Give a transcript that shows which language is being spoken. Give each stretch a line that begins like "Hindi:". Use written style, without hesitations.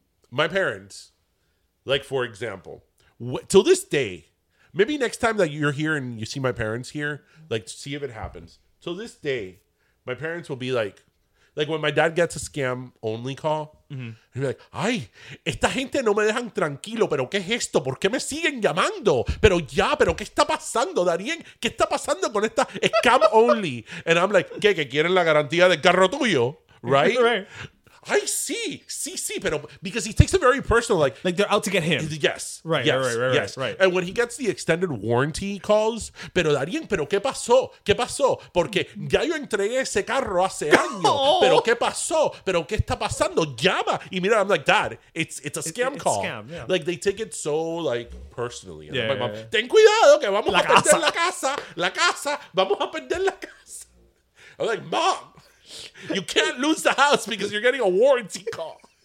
English: My parents, like, for example, till this day, maybe next time that you're here and you see my parents here, like, see if it happens. Till this day, my parents will be like, when my dad gets a scam only call, mm-hmm.
Spanish: he'd be like, ay, esta gente no me dejan tranquilo, pero ¿qué es esto? ¿Por qué me siguen llamando? Pero ya, ¿pero qué está pasando, Darien? ¿Qué está pasando con esta scam only?
English: And I'm like,
Spanish: ¿qué? ¿Que quieren la garantía del carro tuyo? Right?
English: Right. I see.
Spanish: Sí, pero
English: because he takes it very personal. Like they're out to get him. Yes. Right, yes, right, yes. Right. And when he gets the extended warranty calls,
Spanish: pero Darien, ¿pero qué pasó? ¿Qué pasó? Porque ya yo entregué ese carro hace años. ¿Pero qué pasó? ¿Pero qué está pasando? Llama. Y mira,
English: I'm like, Dad, it's a scam it's call. It's scam, yeah. Like, they take it so, like, personally. Yeah, like, my mom, yeah.
Spanish: Ten cuidado que vamos la a casa. Perder la casa. La casa. Vamos a perder la casa.
English: I'm like, Mom, you can't lose the house because you're getting a warranty call.